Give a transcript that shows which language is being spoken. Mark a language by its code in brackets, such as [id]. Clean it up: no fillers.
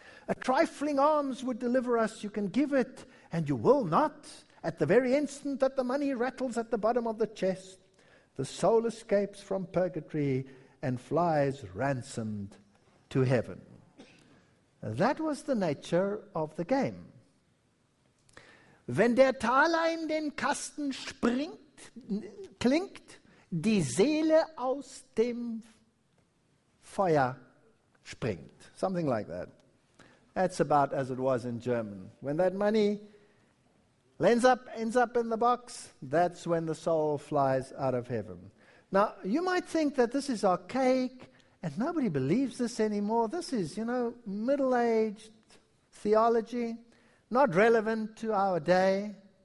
[en] A trifling alms would deliver us. You can give it, and you will not.' At the very instant that the money rattles at the bottom of the chest, the soul escapes from purgatory and flies ransomed to heaven." That was the nature of the game. [de] "Wenn der Taler in den Kasten springt, klingt die Seele aus dem Feuer springt." [en] Something like that. That's about as it was in German. When that money ends up in the box, that's when the soul flies out of heaven. Now, you might think that this is archaic and nobody believes this anymore. This is, you know, middle-aged theology, not relevant to our day.